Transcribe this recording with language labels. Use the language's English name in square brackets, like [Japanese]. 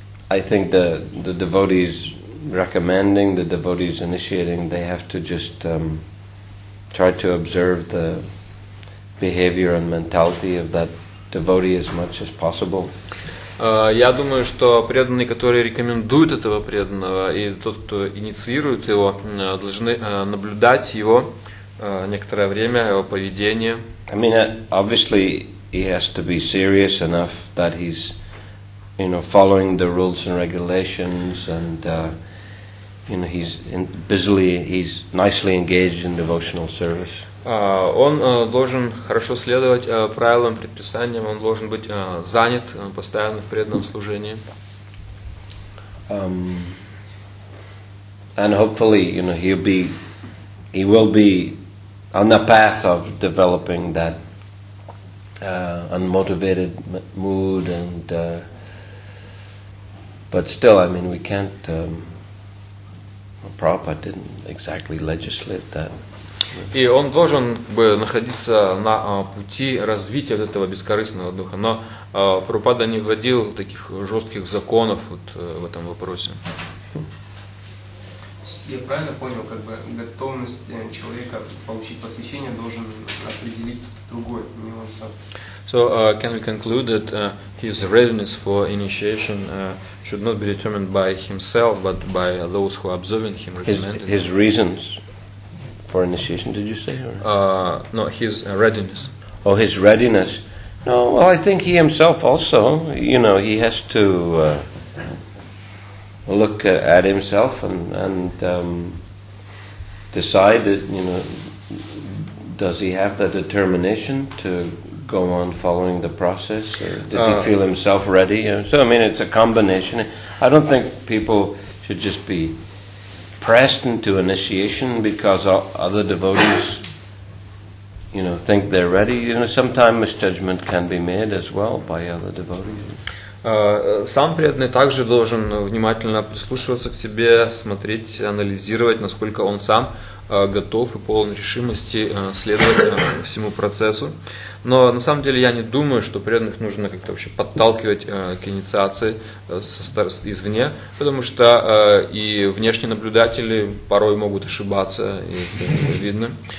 [English] I think the devotees recommending, the devotees initiating, they have to just try to observe the behavior and mentality of that devotee as much as possible. [Russian] Я думаю, что преданные, которые рекомендуют этого преданного, и тот, кто инициирует его, должны наблюдать его некоторое время, его поведение. [English] I mean, obviously, he has to be serious enough that he's, you know, following the rules and regulations, and you know, he's nicely engaged in devotional service. [Russian] Он должен хорошо следовать правилам, предписаниям, он должен быть занят постоянно в преданном служении. [English] And hopefully, you know, he will be on the path of developing that unmotivated mood, and but still, I mean, we can't Prabhupada didn't exactly legislate that. [Russian] И он должен бы находиться на пути развития вот этого бескорыстного духа, но Прабхупада не вводил таких жестких законов вот в этом вопросе. Я правильно понял, как бы готовность человека получить посвящение должен определить другой, не он сам. [English] So can we conclude that his readiness for initiation should not be determined by himself, but by those who are observing him, recommended? His reasons. For initiation, did you say? Or? No, his readiness. Oh, his readiness. No, well, I think he himself also, you know, he has to look at himself and decide that, you know, does he have the determination to go on following the process? Or did he feel himself ready? So, I mean, it's a combination. I don't think people should just be pressed into initiation because other devotees, you know, think they're ready. You know, sometimes misjudgment can be made as well by other devotees. [Russian] Сам преданный также должен внимательно прислушиваться к себе, смотреть, анализировать, насколько он сам готов и полон решимости следовать всему процессу. Но на самом деле я не думаю, что преданных нужно как-то вообще подталкивать к инициации извне, потому что и внешние наблюдатели порой могут ошибаться, и это видно.